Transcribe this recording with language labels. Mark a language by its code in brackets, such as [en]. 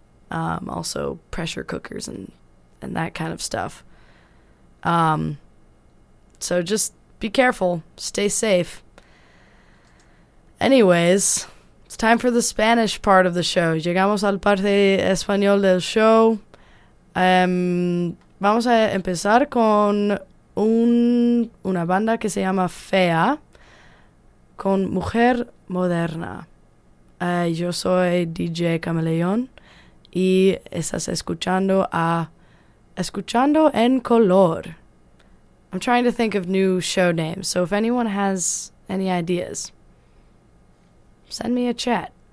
[en] Also pressure cookers and that kind of stuff. So just be careful. Stay safe. Anyways, it's time for the Spanish part of the show. [es] Llegamos al parte español del show. Vamos a empezar con una banda que se llama Fea, con Mujer Moderna. Yo soy DJ Chameleon y estás escuchando a Escuchando en Color. [en] I'm trying to think of new show names, so if anyone has any ideas, send me a chat.